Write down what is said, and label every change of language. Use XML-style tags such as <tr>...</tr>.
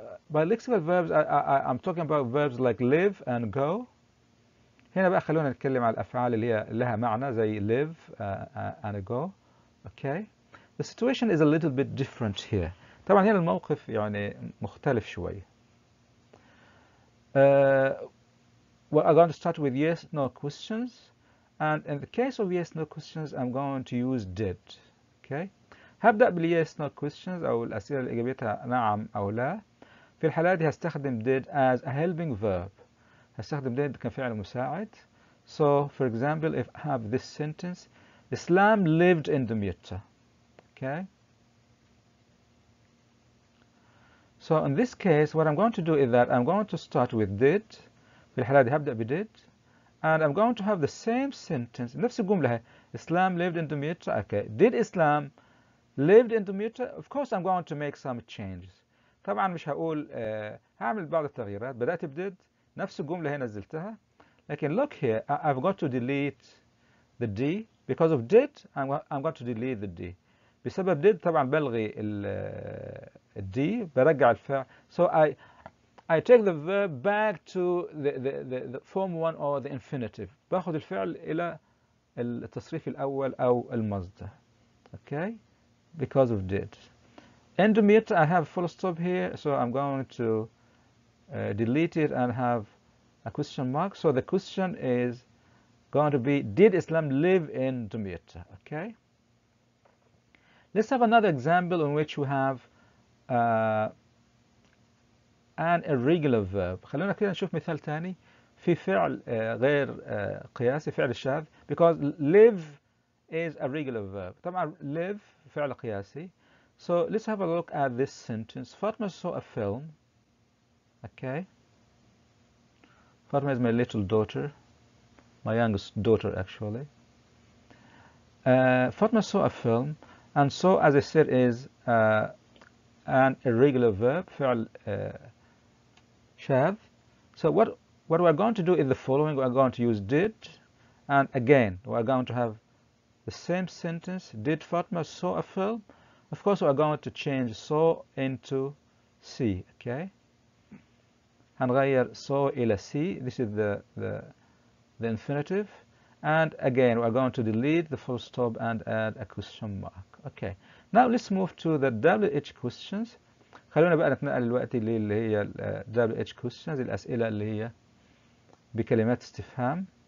<en>By lexical verbs, I'm talking about verbs like live and go.</en> <ar>هنا بقى خلونا نتكلم على الأفعال اللي هي لها معنى زي</ar> <en>live and go. Okay, the situation is a little bit different here.</en> <ar>طبعا هنا الموقف يعني مختلف شوي.</ar> <en>Well, I'm going to start with yes, no questions. And in the case of yes, no questions, I'm going to use did.</en> <ar>Okay, هبدأ بال yes, no questions أو الأسئلة اللي إجابتها نعم أو لا. في الحالة دي هستخدم did</ar> <en>as a helping verb.</en> <ar>هستخدم did كفعل مساعد.</ar> <en>So, for example, if I have this sentence, Islam lived in Damietta. Okay. So in this case, what I'm going to do is that I'm going to start with did.</en> <ar>في الحالة دي هبدأ بديد.</ar> <en>And I'm going to have the same sentence.</en> <ar>نفس الجملة.</ar> <en>Islam lived in Damietta. Okay. Did Islam lived in Damietta? Of course, I'm going to make some changes.</en> <ar>طبعا مش هقول هعمل بعض التغييرات. بدأت بديد. نفس الجملة هي نزلتها.</ar> <en>لكن look here. I've got to delete the D. Because of did, I'm going to delete the D.</en> <ar>بسبب did, طبعا بلغي ال D, برجع الفعل.</ar> <en>So I take the verb back to the form one or the infinitive.</en> <ar>باخذ الفعل إلى التصريف الأول أو المصدر.</ar> <en>Okay? Because of did. end meet, I have full stop here, so I'm going to delete it and have a question mark. So the question is going to be, did Islam live in Dumit? Okay. Let's have another example in which we have an irregular verb.</en> <ar>خلونا كده نشوف مثال تاني في فعل غير قياسي فعل الشاذ</ar> <en>because live is a regular verb.</en> <ar>طبعا live فعل قياسي.</ar> <en>So let's have a look at this sentence. Fatma saw a film. Okay. Fatma is my little daughter. My youngest daughter, actually. Fatma saw a film, and saw, as I said, is an irregular verb,</en> <ar>فعل شاذ.</ar> <en>So what we're going to do is the following. We're going to use did, and again, we're going to have the same sentence. Did Fatma saw a film? Of course, we're going to change saw into see, okay?</en> <ar>هنغير</ar> <en>saw إلى see. This is the infinitive, and again we are going to delete the full stop and add a question mark. Okay, now let's move to the WH questions.</en> <ar>خلونا بقى نتنقل الوقت اللي هي WH questions, الأسئلة اللي هي بكلمات استفهام.</ar>